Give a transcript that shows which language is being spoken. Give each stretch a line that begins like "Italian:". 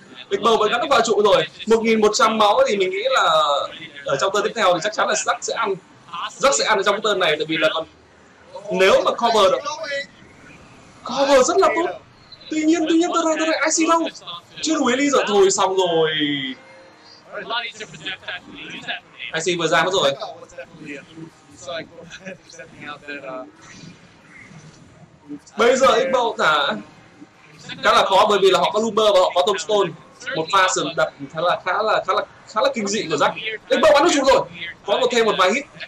Vietnamese: Địch bầu vẫn gắn vào trụ rồi. 1100 máu thì mình nghĩ là ở trong turn tiếp theo thì chắc chắn là Zack sẽ ăn. Zack sẽ ăn ở trong turn này tại vì là còn nếu mà cover được. Cover rất là tốt. Tuy nhiên tôi đang IC đâu. Chưa đủ heli rồi thôi xong rồi.
English: a lot easier for Jeff to actually use that from game. I see, but Zama's away. Oh, it's definitely a blue cycle. Stepping out that,
Vietnamese: Bây giờ Xbow thả khá là khó bởi vì là họ có Lumber và họ có Tombstone. Một pha sườn đập khá là kinh dị của Zach. Xbow bắn được chút rồi. Có một thêm một vài hit.